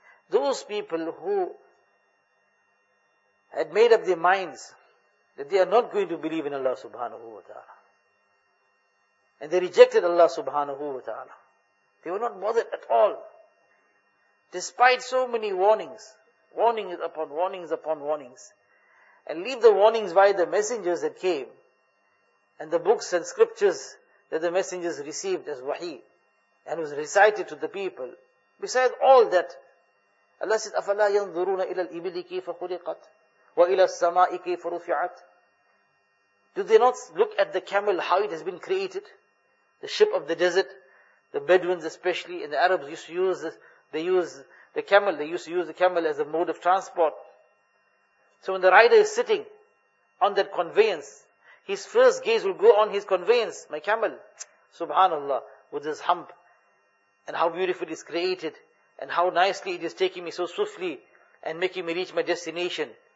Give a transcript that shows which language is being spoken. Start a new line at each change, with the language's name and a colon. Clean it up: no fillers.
English: Those people who had made up their minds that they are not going to believe in Allah subhanahu wa ta'ala, and they rejected Allah subhanahu wa ta'ala, they were not bothered at all. Despite so many warnings, warnings upon warnings upon warnings, and leave the warnings by the messengers that came, and the books and scriptures that the messengers received as wahi, and was recited to the people. Besides all that, Allah said,
Arabic: أَفَلَا يَنْظُرُونَ إِلَى الْإِبِلِ كَيْفَ خُلِقَتْ وَإِلَى السَّمَاءِ كَيْفَ رُفِعَتْ.
English: Do they not look at the camel, how it has been created? The ship of the desert, the Bedouins especially, and the Arabs used to use the camel as a mode of transport. So when the rider is sitting on that conveyance, his first gaze will go on his conveyance, my camel, subhanallah, with his hump, and how beautiful it is created, and how nicely it is taking me so swiftly, and making me reach my destination.